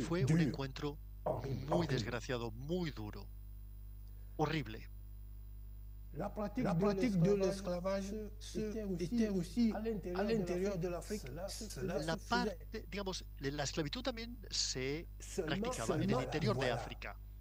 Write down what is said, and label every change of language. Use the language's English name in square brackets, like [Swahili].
[Spanish] fue un encuentro muy desgraciado, muy duro, horrible. [French] La pratique de l'esclavage était aussi à l'intérieur de l'Afrique. [Spanish] La parte, digamos, la esclavitud también se practicaba en el interior de África.